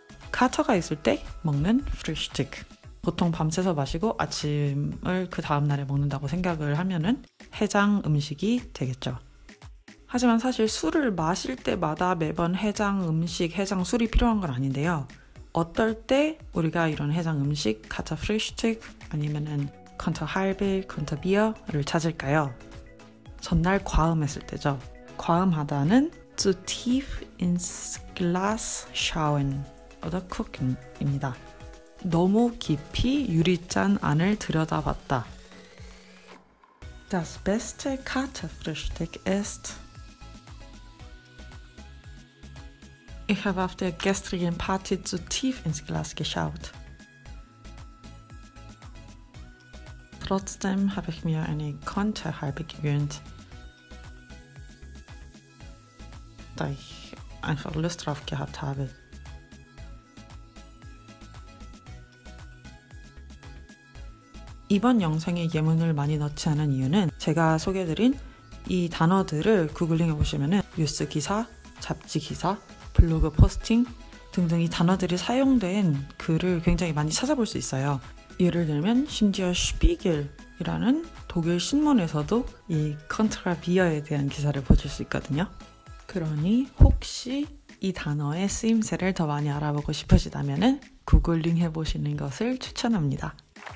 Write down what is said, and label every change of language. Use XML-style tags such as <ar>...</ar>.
<ko>카터가 있을 때 먹는 프리슈틱. 보통 밤새서 마시고 아침을 그 다음날에 먹는다고 생각을 하면은 해장 음식이 되겠죠. 하지만 사실 술을 마실 때마다 매번 해장 음식, 해장 술이 필요한 건 아닌데요. 어떨 때 우리가 이런 해장 음식, 카터 프리슈틱 아니면은 컨터 할베, 컨터 비어를 찾을까요? 전날 과음했을 때죠. 과음하다는</ko> <de>zu tief ins Glas schauen oder gucken</de> <ko>입니다. 너무 깊이 유리잔 안을 들여다봤다.</ko> <de>Das beste Katerfrühstück ist. Ich habe auf der gestrigen Party zu tief ins Glas geschaut. Trotzdem habe ich mir eine Konterhalbe gegönnt, da ich einfach Lust drauf gehabt habe. In diesem Video habe ich viele Yemen nicht eingebaut, weil ich diese Worte vorgestellt habe. Wenn ihr sie googeln könnt, dann findet ihr News-Artikel, Zeitungsartikel, Blog-Posting und so weiter. Diese Worte wurden verwendet, um sehr viele Artikel zu finden.</de> <ko>예를 들면 심지어 슈피겔이라는 독일 신문에서도 이 컨트라비어에 대한 기사를 보실 수 있거든요. 그러니 혹시 이 단어의 쓰임새를 더 많이 알아보고 싶으시다면 구글링 해보시는 것을 추천합니다.</ko>